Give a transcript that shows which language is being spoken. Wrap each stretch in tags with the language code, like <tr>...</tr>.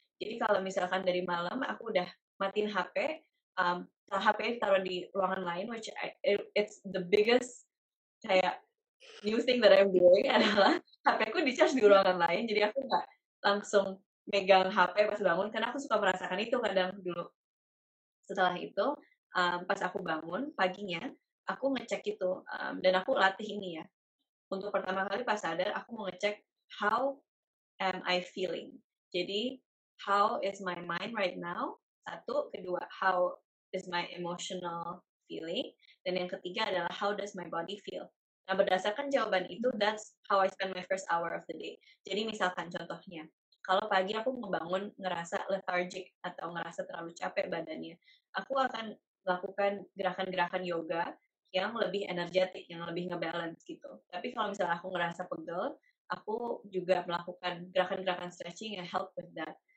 <id>Jadi kalau misalkan dari malam, aku udah matiin HP, HP taruh di ruangan lain,</id> <en>which it's the biggest</en> <id>kayak</id> <en>new thing that I'm doing</en> <id>adalah HP aku di-charge di ruangan lain, jadi aku gak langsung megang HP pas bangun, karena aku suka merasakan itu kadang dulu. Setelah itu, pas aku bangun paginya, aku ngecek itu, dan aku latih ini ya. Untuk pertama kali pas sadar, aku mau ngecek</id> <en>how am I feeling.</en> <id>Jadi,</id> <en>how is my mind right now?</en> <id>Satu, kedua,</id> <en>how is my emotional feeling?</en> <id>Dan yang ketiga adalah</id> <en>how does my body feel?</en> <id>Nah, berdasarkan jawaban itu,</id> <en>that's how I spend my first hour of the day.</en> <id>Jadi, misalkan contohnya, kalau pagi aku mau bangun ngerasa lethargic atau ngerasa terlalu capek badannya, aku akan lakukan gerakan-gerakan yoga yang lebih energetik, yang lebih ngebalance gitu. Tapi kalau misalnya aku ngerasa pegel, aku juga melakukan gerakan-gerakan stretching yang</id> <en>help with that.</en>